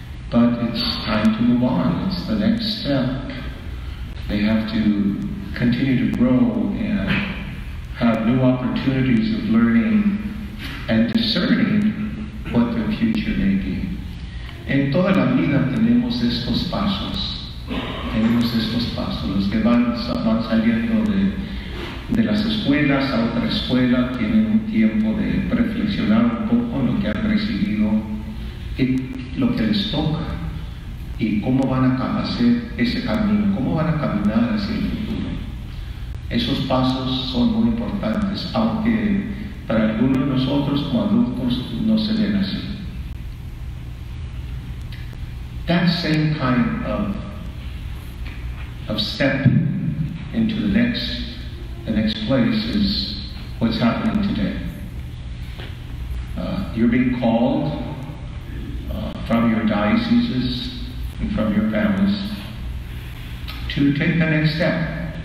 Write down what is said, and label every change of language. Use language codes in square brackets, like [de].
[en] But it's time to move on. It's the next step. They have to continue to grow and have new opportunities of learning and discerning what their future may be. [es] En toda la vida tenemos estos pasos. Tenemos estos pasos, los que van saliendo de las escuelas a otra escuela, tienen un tiempo de reflexionar un poco en lo que han recibido, y lo que les toca, y cómo van a hacer ese camino, cómo van a caminar hacia el futuro. Esos pasos son muy importantes, aunque para algunos de nosotros como adultos no se ven así. [en] That same kind of step into the next place is what's happening today. You're being called from your dioceses and from your families to take the next step.